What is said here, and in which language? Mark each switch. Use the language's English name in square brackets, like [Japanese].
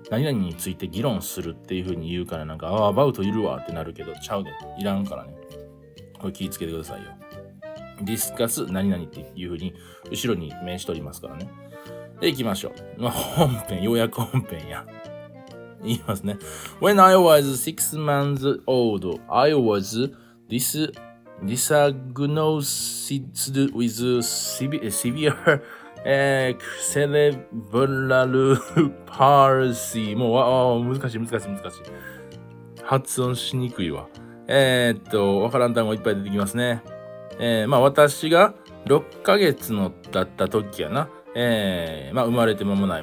[Japanese] 何々について議論するっていうふうに言うから、なんか、あ、about いるわってなるけど、ちゃうで。いらんからね。これ気をつけてくださいよ。discuss 何々っていうふうに後ろに名詞取りますからね。で、行きましょう。まあ、本編、ようやく本編や。言いますね。 [English] When I was 6 months old, I was diagnosed with severe cerebral palsy. [Japanese] もう、難しい。発音しにくいわ。わからん単語いっぱい出てきますね。まあ、私が6ヶ月のだった時やな。まあ、生まれて間もない。